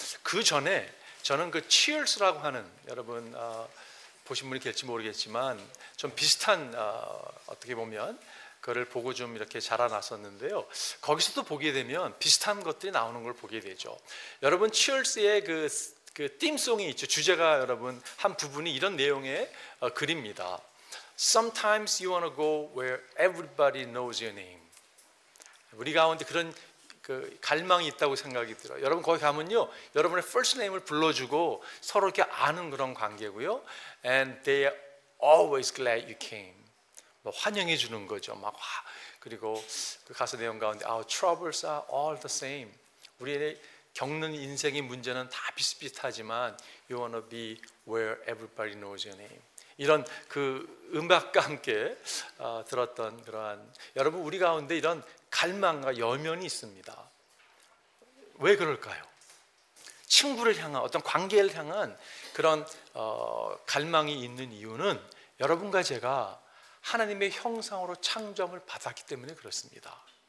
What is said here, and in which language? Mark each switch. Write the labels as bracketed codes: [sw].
[ko] 그 전에 저는 그 Cheers라고 하는 여러분 보신 분이 될지 모르겠지만 좀 비슷한 어떻게 보면 그거를 보고 좀 이렇게 자라났었는데요. 거기서도 보게 되면 비슷한 것들이 나오는 걸 보게 되죠. 여러분 Cheers의 그 팀송이 있죠. 주제가 여러분 한 부분이 이런 내용의 글입니다. [en] Sometimes you wanna go where everybody knows your name. [ko] 우리 가운데 그런 갈망이 있다고 생각이 들어요. 여러분 거기 가면요, 여러분의 first name을 불러주고 서로 이렇게 아는 그런 관계고요. [en] And they are always glad you came. [ko] 뭐 환영해 주는 거죠. 막 와. 그리고 그 가사 내용 가운데 [en] Our troubles are all the same. [ko] 우리의 겪는 인생의 문제는 다 비슷비슷하지만 [en] You wanna be where everybody knows your name. [ko] 이런 그 음악과 함께 들었던 그러한 여러분 우리 가운데 이런 갈망과 여면이 있습니다. 왜 그럴까요? 친구를 향한 어떤 관계를 향한 그런 갈망이 있는 이유는 여러분과 제가 하나님의 형상으로 창조함을 받았기 때문에 그렇습니다.